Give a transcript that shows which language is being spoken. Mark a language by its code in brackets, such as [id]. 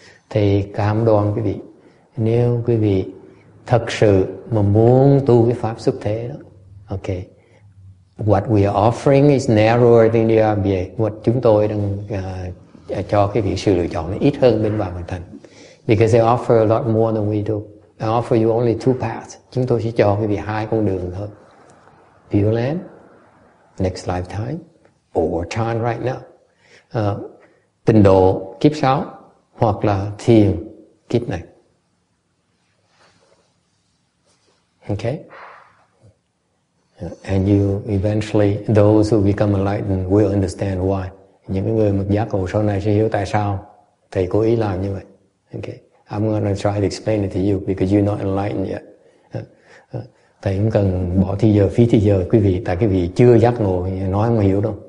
[vi] thì cam đoan quý vị, nếu quý vị thật sự mà muốn tu cái pháp xuất thế đó, [en] okay, what we are offering is narrower than the RBA. [vi] What chúng tôi đang cho cái vị sự lựa chọn nó ít hơn bên Vạn Vật Thành. [en] Because they offer a lot more than we do. I offer you only two paths. [vi] Chúng tôi chỉ cho cái vị hai con đường thôi. [en] Pure Land, next lifetime, or time right now. [vi] Tình độ kiếp sau, hoặc là thiền kiếp này. [en] Okay? And you eventually, those who become enlightened will understand why. [vi] Những người mà giác ngộ sau này sẽ hiểu tại sao thầy cố ý làm như vậy. [en] Okay. I'm going to try to explain it to you because you're not enlightened yet. [vi] Thầy cũng cần bỏ thi giờ, phí thi giờ quý vị, tại quý vị chưa giác ngộ, nói không hiểu đâu.